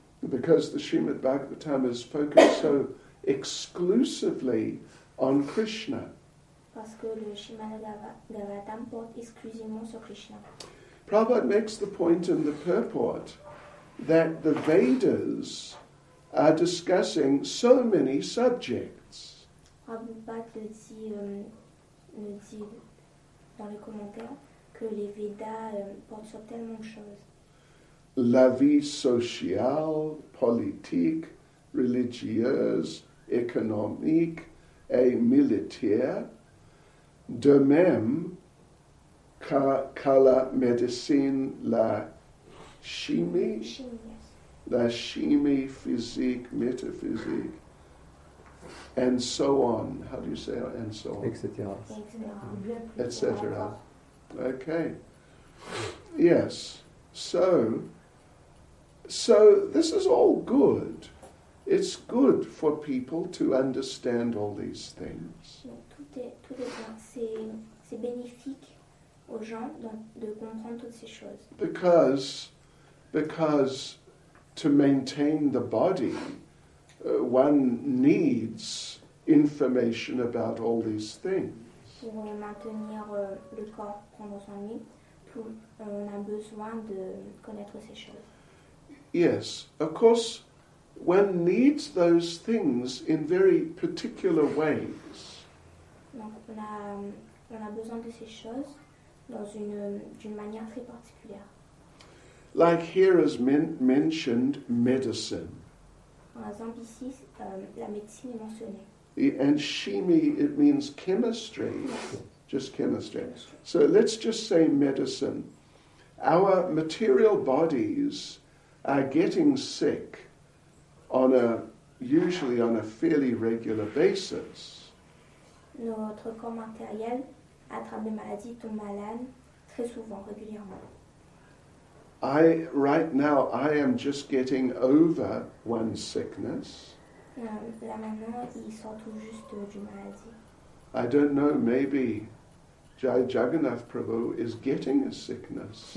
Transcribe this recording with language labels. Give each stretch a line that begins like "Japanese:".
English: Because the Srimad Bhagavatam is focused so exclusively on Krishna.
French: Parce que le Srimad Bhagavatam porte exclusivement sur Krishna.
English: Prabhupada makes the point in the purport that the Vedas are discussing so many subjects.
French: Prabhupada le dit dans les commentaires que les Védas portent sur tellement de choses. La vie sociale, politique, religieuse, économique et militaire, de même qu'à la médecine, la chimie physique, métaphysique.
English: And so on. How do you say it? And so on.
French: Etc.
English: Okay. Yes. So this is all good. It's good for people to understand all these things.
French: Tout est bénéfique aux gens de comprendre toutes ces choses.
English: Because to maintain the body, one needs information about all these things.
French: Pour maintenir le corps pendant son vie, on a besoin de connaître ces choses.
English: Yes, of course, one needs those things in very particular ways.
French: Donc on a besoin de ces choses d'une manière très particulière.
English: Like here is mentioned medicine.
French: Par exemple ici, la médecine est mentionnée.
English: And shimi, it means chemistry, just chemistry. So let's just say medicine. Our material bodies are getting sick usually on a fairly regular basis.
French: Notre corps matériel attrape des maladies, tombe malade très souvent, régulièrement.
English: I right now I am just getting over one sickness.
French: Là maintenant, il sort tout juste du maladie.
English: I don't know, maybe Jai Jagannath Prabhu is getting a sickness.